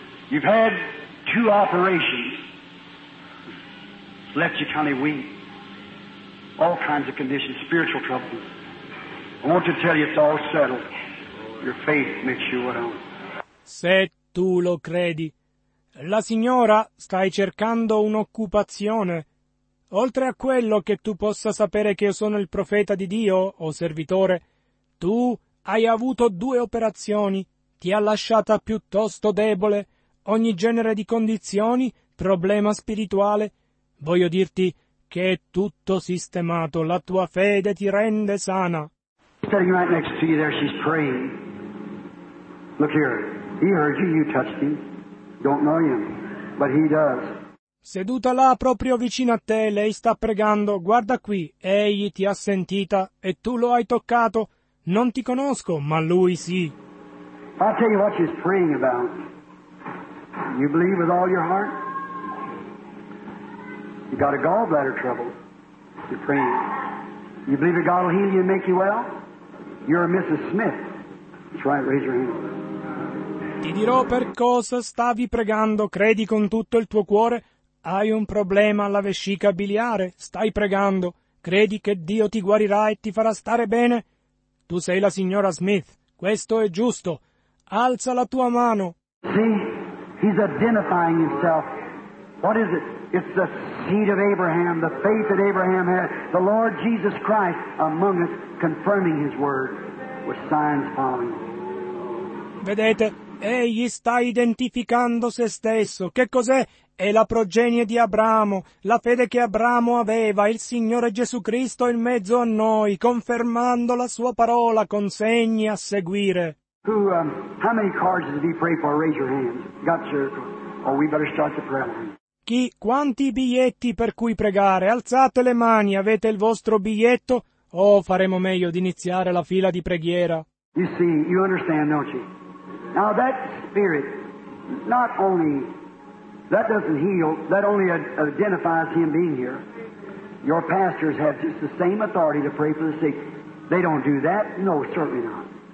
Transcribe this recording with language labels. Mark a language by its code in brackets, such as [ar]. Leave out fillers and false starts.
[en] You've had two operations. Left you kind of weak. All kinds of conditions, spiritual troubles. I want to tell you it's all settled. Your faith makes you well. [it] Se tu lo credi, la signora stai cercando un'occupazione. Oltre a quello che tu possa sapere che io sono il profeta di Dio, o servitore, tu hai avuto due operazioni. Ti ha lasciata piuttosto debole. Ogni genere di condizioni, problema spirituale. Voglio dirti che è tutto sistemato. La tua fede ti rende sana. [en] Sitting right next to you there, she's praying. Look here. He heard you, you touched him. Don't know him, but he does. [it] Seduta là proprio vicino a te, lei sta pregando. Guarda qui, egli ti ha sentita e tu lo hai toccato. Non ti conosco, ma lui sì. [en] I'll tell you what she's praying about. You believe with all your heart? You got a gallbladder trouble. You're praying. You believe that God will heal you and make you well? You're a Mrs. Smith. That's right, raise your hand. [it] Ti dirò per cosa stavi pregando. Credi con tutto il tuo cuore? Hai un problema alla vescica biliare. Stai pregando. Credi che Dio ti guarirà e ti farà stare bene? Tu sei la signora Smith. Questo è giusto. Alza la tua mano. [en] See, he's identifying himself. What is it? It's the seed of Abraham, the faith that Abraham had, the Lord Jesus Christ among us, confirming his word with signs following. [it] Vedete? Egli sta identificando se stesso. Che cos'è? È la progenie di Abramo, la fede che Abramo aveva, il Signore Gesù Cristo in mezzo a noi, confermando la sua parola con segni a seguire. [en] Who, how many cards did he pray for? Raise your hand. Got circle. Or we better start the prayer line. [it] Chi? Quanti biglietti per cui pregare? Alzate le mani, avete il vostro biglietto? Oh, faremo meglio di iniziare la fila di preghiera. [en] You see, you understand, don't you? Now that spirit, not only, that doesn't heal, that only identifies him being here. Your pastors have just the same authority to pray for the sick. They don't do that? No, certainly not.